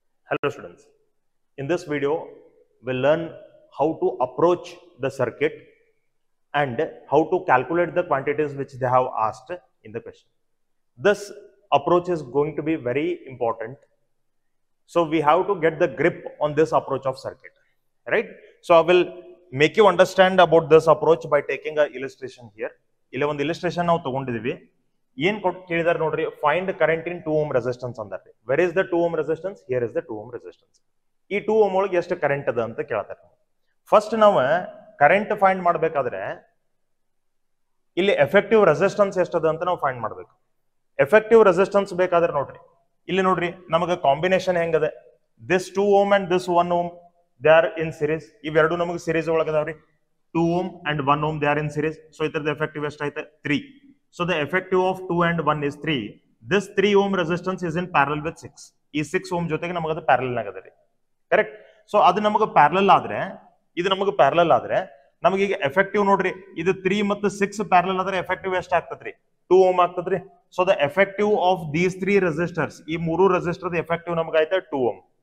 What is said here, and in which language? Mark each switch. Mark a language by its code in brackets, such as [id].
[en] Hello students, in this video we'll learn how to approach the circuit and how to calculate the quantities which they have asked in the question. This approach is going to be very important, so we have to get the grip on this approach of circuit, right? So I will make you understand about this approach by taking a illustration here. [kn] Ile ond illustration na tagondidivi. ಏನ್ ಕೇಳಿದಾರ ನೋಡ್ರಿ, [en] Find current in 2 ohm resistance ಅಂದ್ರೆ, where is the 2 ohm resistance, here is the 2 ohm resistance. [kn] ಈ 2 ohm ಒಳಗೆ ಎಷ್ಟು current ಅದ ಅಂತ ಕೇಳತಾರೆ. First ನಾವು current find ಮಾಡಬೇಕಾದ್ರೆ ಇಲ್ಲಿ ಎಫೆಕ್ಟಿವ್ ರೆಸಿಸ್ಟೆನ್ಸ್ ಎಷ್ಟದ ಅಂತ ನಾವು ಫೈಂಡ್ ಮಾಡಬೇಕು. ಎಫೆಕ್ಟಿವ್ ರೆಸಿಸ್ಟೆನ್ಸ್ ಬೇಕಾದ್ರೆ ನೋಡ್ರಿ, ಇಲ್ಲಿ ನೋಡ್ರಿ ನಮಗೆ combination ಹೆಂಗದೆ, [en] This 2 ohm and this 1 ohm they are in series. [kn] ಇವೆರಡು ನಮಗೆ ಸಿರೀಸ್ ಒಳಗೆ ಅದಾವ್ರಿ, [en] 2 ohm and 1 ohm they are in series. [kn] So ಇದರದ effective ಎಷ್ಟೈತೆ, 3. [en] So the effective of 2 and 1 is 3. This 3 ohm resistance is in parallel with 6. [kn] ಈ 6 ohm ಜೊತೆಗೆ ನಮಗೆ ಅದು parallel ಆಗದ್ರಿ, correct? So ಅದು ನಮಗೆ ಪ್ಯಾರಲಲ್ ಆದ್ರೆ, ಇದು ನಮಗೆ ಪ್ಯಾರಲಲ್ ಆದ್ರೆ, ನಮಗೆ ಈಗ ಎಫೆಕ್ಟಿವ್ ನೋಡ್ರಿ, ಇದು 3 ಮತ್ತು 6 ಪ್ಯಾರಲಲ್ ಆದ್ರೆ ಎಫೆಕ್ಟಿವ್ ಎಷ್ಟು ಆಗ್ತದ್ರಿ, 2 ಓಮ್ ಆಗ್ತದ್ರಿ. [en] so the effective of these 3 resistors, [kn] ಈ 3 ರೆಸಿಸ್ಟರ್ ಎಫೆಕ್ಟಿವ್ ನಮಗೈತೆ 2 ಓಮ್.